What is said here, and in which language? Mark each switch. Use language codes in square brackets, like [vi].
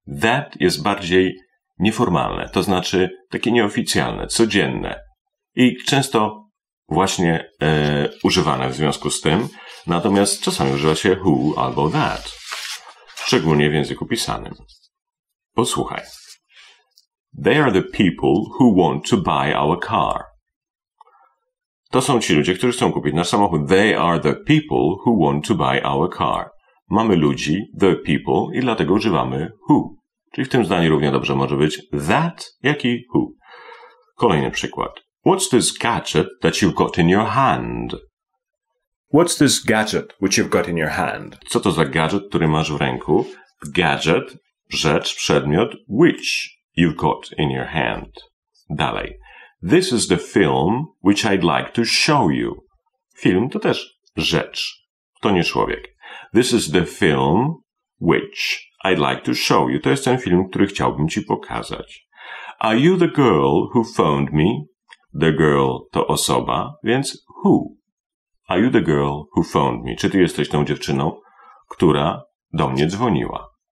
[pl] That jest bardziej nieformalne, to znaczy takie nieoficjalne, codzienne i często właśnie używane w związku z tym. Natomiast czasami używa się who albo that, szczególnie w języku pisanym. Posłuchaj. [en] They are the people who want to buy our car. [pl] To są ci ludzie, którzy chcą kupić nasz samochód. [en] They are the people who want to buy our car. [pl] Mamy ludzi, [en] the people, [pl] i dlatego używamy who. Czyli w tym zdaniu równie dobrze może być that, jak i who. Kolejny przykład. [en] What's this gadget that you've got in your hand? What's this gadget which you've got in your hand? [pl] Co to za gadżet, który masz w ręku? [en] Gadget. [pl] Rzecz, przedmiot, [en] which you've got in your hand. [pl] Dalej. [en] This is the film which I'd like to show you. [pl] Film to też rzecz. To nie człowiek. [en] This is the film which I'd like to show you. [pl] To jest ten film, który chciałbym ci pokazać. [en] Are you the girl who phoned me? The girl [pl] to osoba, więc [en] who? Are you the girl who phoned me? [pl] Czy ty jesteś tą dziewczyną, która do mnie dzwoniła?